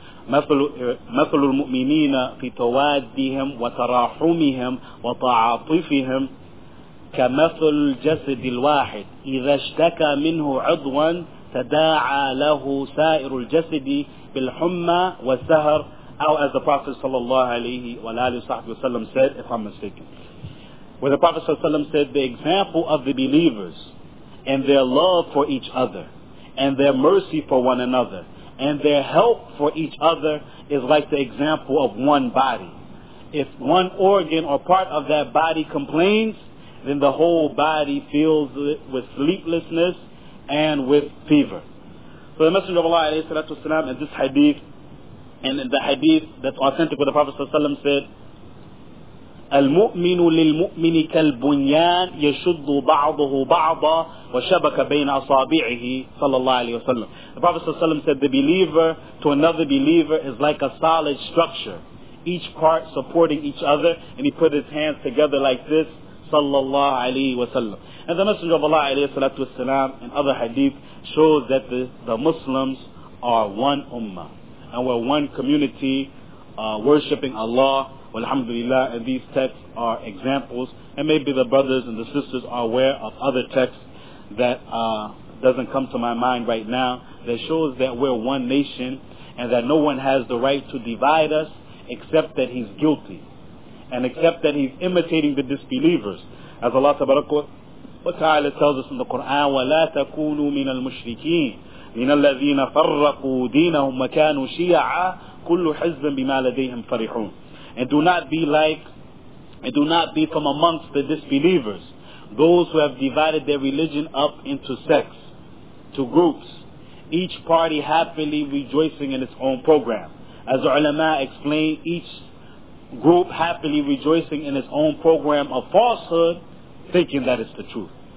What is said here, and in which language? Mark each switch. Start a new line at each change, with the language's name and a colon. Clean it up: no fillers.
Arabic: مثل المؤمنين في توادهم وتراحمهم وتعاطفهم كمثل الجسد الواحد إذا اشتكى منه عضوا تداعى له سائر الجسد بالحمى والسهر.
English: Or as the Prophet sallallahu alayhi wa alayhi wa sallam said, if I'm mistaken, where the Prophet sallallahu alayhi wa sallam said, the example of the believers and their love for each other and their mercy for one another and their help for each other is like the example of one body. If one organ or part of that body complains, then the whole body fills with sleeplessness and with fever. So the Messenger of Allah alayhi salatu wasalam in this hadith, and in the hadith that's authentic with the Prophet sallallahu alayhi wa sallam, said,
Arabic: المؤمن للمؤمن كالبنيان يشد بعضه بعضا وشبك بين أصابعه صلى الله عليه وسلم.
English: The Prophet صلى الله عليه وسلم said, the believer to another believer is like a solid structure, each part supporting each other, and he put his hands together like this, صلى الله عليه وسلم. And the Messenger of Allah عليه الصلاة والسلام in other hadith shows that the Muslims are one ummah, and we're one community worshipping Allah. Alhamdulillah, and these texts are examples, and maybe the brothers and the sisters are aware of other texts that doesn't come to my mind right now, that shows that we're one nation and that no one has the right to divide us except that he's guilty and except that he's imitating the disbelievers. As Allah Ta'ala tells us in the Quran,
Arabic: وَلَا تَكُونُوا مِنَ الْمُشْرِكِينَ مِنَ الَّذِينَ فَرَّقُوا دِينَهُمْ وَكَانُوا شِيَعًا كُلُّ حِزْبٍ بِمَا لَدَيْهِمْ فَرِحُونَ.
English: And do not be like, and do not be from amongst the disbelievers, those who have divided their religion up into sects, to groups, each party happily rejoicing in its own program. As the ulama explained, each group happily rejoicing in its own program of falsehood, thinking that it's the truth.